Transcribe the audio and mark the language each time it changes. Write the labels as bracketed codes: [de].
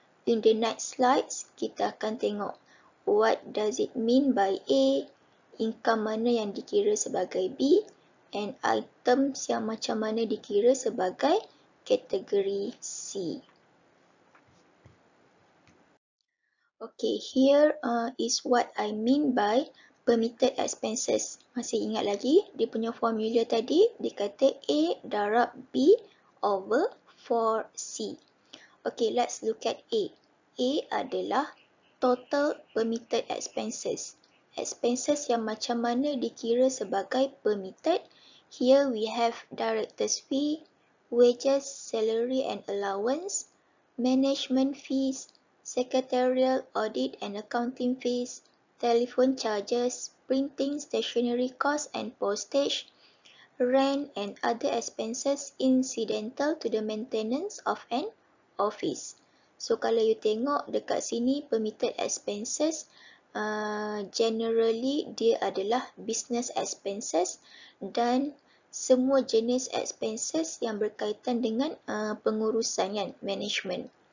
[en] In the next slides, [ms] kita akan tengok [en] what does it mean by A, [ms] income mana yang dikira sebagai B [en] and items [ms] yang macam mana dikira sebagai kategori C. [en] Okay, here is what I mean by permitted expenses. [ms] Masih ingat lagi, dia punya formula tadi, dia kata A darab B over 4C. [en] Okay, let's look at A. [ms] A adalah total permitted expenses. Expenses yang macam mana dikira sebagai permitted. [en] Here we have director's fee, wages, salary and allowance, management fees, secretarial, audit and accounting fees, telephone charges, printing, stationery costs and postage, rent and other expenses incidental to the maintenance of an office. So, [ms] kalau you tengok dekat sini, [en] permitted expenses, [ms] Generally, dia adalah business expenses dan semua jenis expenses yang berkaitan dengan pengurusan kan, management.